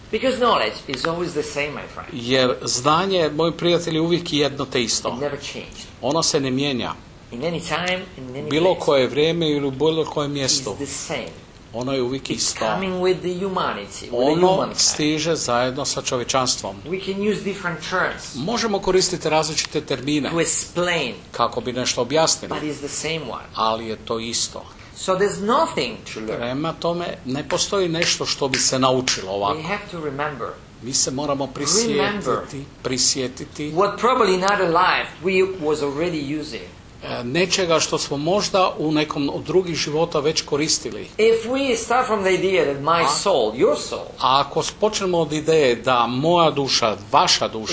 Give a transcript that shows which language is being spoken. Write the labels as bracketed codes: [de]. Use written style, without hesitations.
[en] Because knowledge is always the same, my friend. [hr] Jer znanje, moji prijatelji, uvijek je jedno te isto. [en] It never changes. [hr] Ono se ne mijenja. [en] In any time, in any place. [hr] Bilo koje vrijeme ili u bilo koje mjesto. [en] It's the same. [hr] Ono je uvijek isto. [en] It's coming with the humanity, with [hr] ono [en] the humankind. [hr] Stiže zajedno sa čovječanstvom. [en] We can use different terms. [hr] Možemo koristiti različite termine. [en] To explain. [hr] Kako bi nešto objasnili. [en] But it's the same one. [hr] Ali je to isto. [en] So there's nothing to learn. [hr] Prema tome, ne postoji nešto što bi se naučilo ovako. [en] We have to remember. [hr] Mi se moramo prisjetiti. [en] What probably in other life we was already using. [hr] Nečega što smo možda u nekom od drugih života već koristili. [en] If we start from the idea that my soul, your soul, [hr] a ako počnemo od ideje da moja duša, vaša duša